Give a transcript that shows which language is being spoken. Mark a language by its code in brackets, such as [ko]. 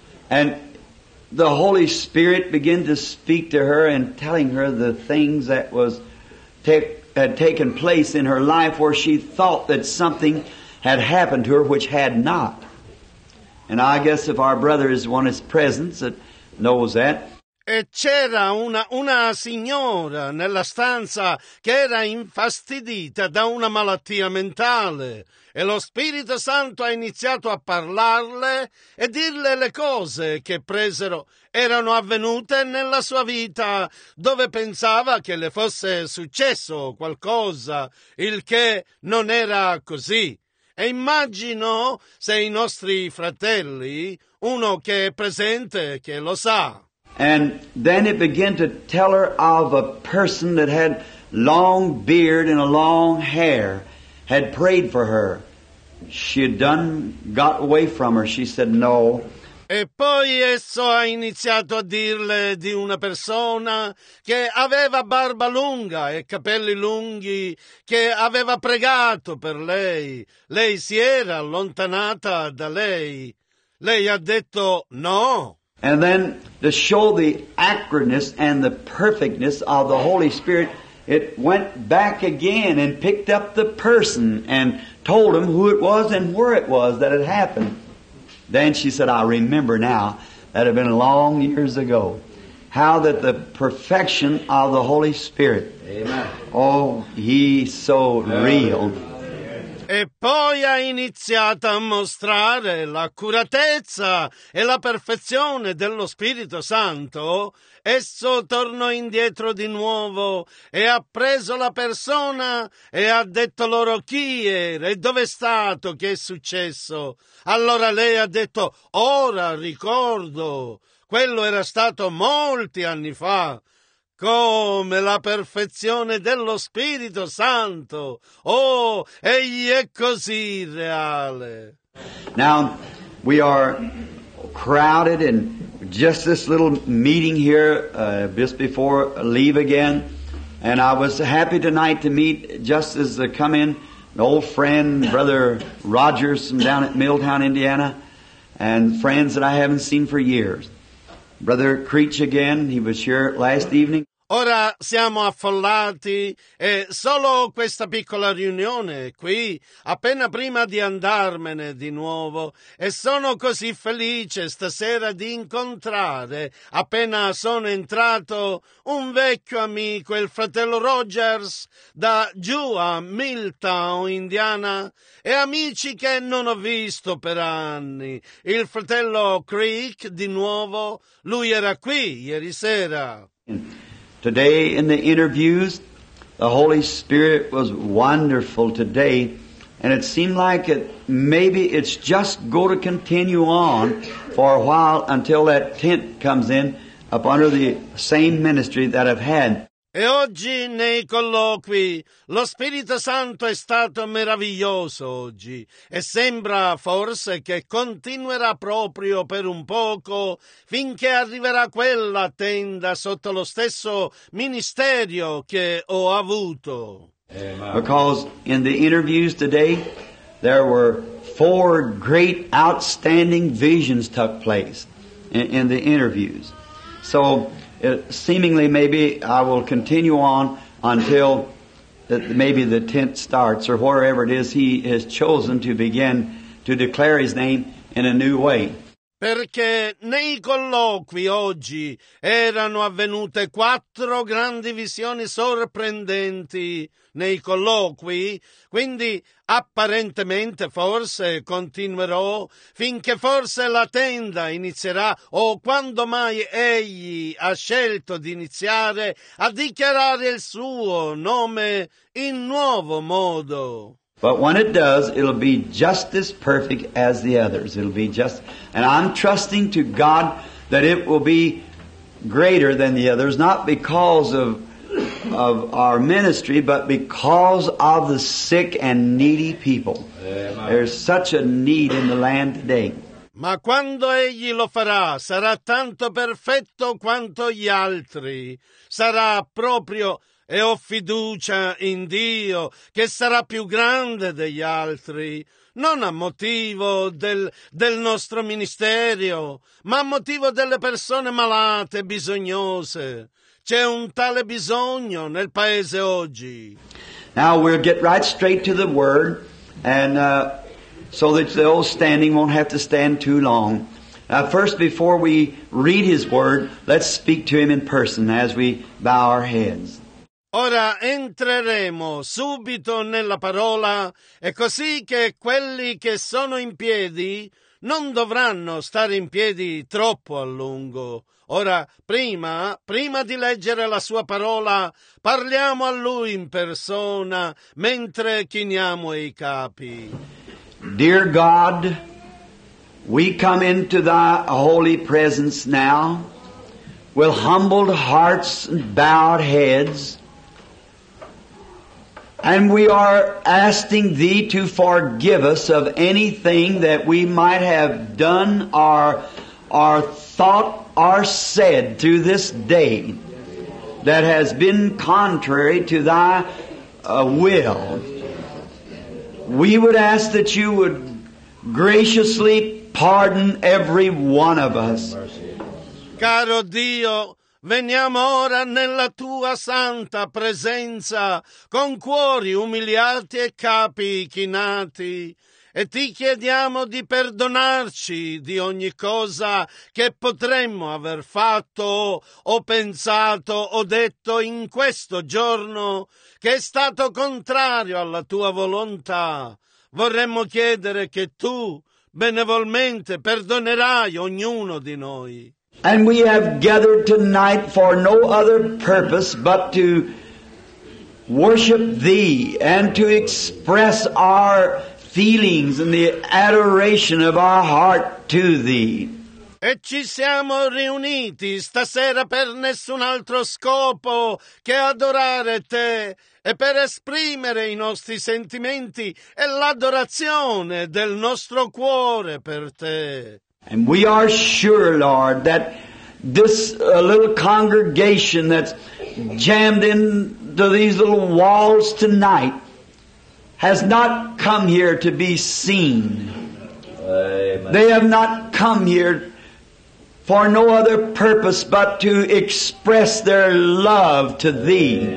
[en] And the Holy Spirit began to speak to her and telling her the things that was had taken place in her life where she thought that something had happened to her which had not. And I guess if our brother is one his presence that knows that. [it] E c'era una signora nella stanza che era infastidita da una malattia mentale. E lo Spirito Santo ha iniziato a parlarle e dirle le cose che presero erano avvenute nella sua vita, dove pensava che le fosse successo qualcosa, il che non era così. E immagino se i nostri fratelli, uno che è presente, che lo sa. [en] And then it began to tell her of a person that had long beard and a long hair, had prayed for her. She had done, got away from her. She said no. [it] E poi esso ha iniziato a dirle di una persona che aveva barba lunga e capelli lunghi, che aveva pregato per lei. Lei si era allontanata da lei. Lei ha detto no. [en] And then to show the accuracy and the perfectness of the Holy Spirit, it went back again and picked up the person and told him who it was and where it was that it happened. Then she said, I remember now that had been long years ago, how that the perfection of the Holy Spirit, amen. Oh, he's so real. [it] E poi ha iniziato a mostrare l'accuratezza e la perfezione dello Spirito Santo. Esso tornò indietro di nuovo e ha preso la persona e ha detto loro chi era e dove è stato, che è successo. Allora lei ha detto, ora ricordo, quello era stato molti anni fa. Come la perfezione dello Spirito Santo. Oh, egli è così reale. [en] Now, we are crowded in just this little meeting here, just before leave again. And I was happy tonight to meet, just as they come in, an old friend, Brother Rogers from down at Milltown, Indiana, and friends that I haven't seen for years. Brother Creech again, he was here last evening. [it] Ora siamo affollati e solo questa piccola riunione qui, appena prima di andarmene di nuovo, e sono così felice stasera di incontrare, appena sono entrato, un vecchio amico, il fratello Rogers, da giù a Milltown, Indiana, e amici che non ho visto per anni, il fratello Creek di nuovo, lui era qui ieri sera. [en] Today in the interviews, the Holy Spirit was wonderful today, and it seemed like it, maybe it's just going to continue on for a while until that tent comes in up under the same ministry that I've had. [it] E oggi nei colloqui lo Spirito Santo è stato meraviglioso oggi e sembra forse che continuerà proprio per un poco finché arriverà quella tenda sotto lo stesso ministerio che ho avuto. [en] Because in the interviews today there were four great outstanding visions took place in the interviews. So seemingly, maybe I will continue on until maybe the tent starts or wherever it is he has chosen to begin to declare his name in a new way. [it] Perché nei colloqui oggi erano avvenute quattro grandi visioni sorprendenti nei colloqui, quindi apparentemente forse continuerò finché forse la tenda inizierà o quando mai egli ha scelto di iniziare a dichiarare il suo nome in nuovo modo. [en] But when it does, it'll be just as perfect as the others. It'll be just, and I'm trusting to God that it will be greater than the others, not because of our ministry, but because of the sick and needy people. Amen. There's such a need in the land today. [it] Ma quando egli lo farà, sarà tanto perfetto quanto gli altri. Sarà proprio, e ho fiducia in Dio che sarà più grande degli altri, non a motivo del nostro ministero, ma a motivo delle persone malate, bisognose. C'è un tale bisogno nel paese oggi. [en] Now we'll get right straight to the word, and so that the old standing won't have to stand too long. First, before we read his word, let's speak to him in person as we bow our heads. [it] Ora entreremo subito nella parola, e così che quelli che sono in piedi non dovranno stare in piedi troppo a lungo. Ora, prima di leggere la sua parola, parliamo a lui in persona mentre chiniamo i capi. [en] Dear God, we come into thy holy presence now with humbled hearts and bowed heads. And we are asking Thee to forgive us of anything that we might have done or thought or said through this day that has been contrary to Thy will. We would ask that You would graciously pardon every one of us. [it] Caro Dio, veniamo ora nella Tua santa presenza con cuori umiliati e capi chinati e Ti chiediamo di perdonarci di ogni cosa che potremmo aver fatto o pensato o detto in questo giorno che è stato contrario alla Tua volontà. Vorremmo chiedere che Tu benevolmente perdonerai ognuno di noi. [en] And we have gathered tonight for no other purpose but to worship Thee and to express our feelings and the adoration of our heart to Thee. [it] E ci siamo riuniti stasera per nessun altro scopo che adorare Te e per esprimere i nostri sentimenti e l'adorazione del nostro cuore per Te. [en] And we are sure, Lord, that this little congregation that's jammed into these little walls tonight has not come here to be seen. Amen. They have not come here for no other purpose but to express their love to Thee.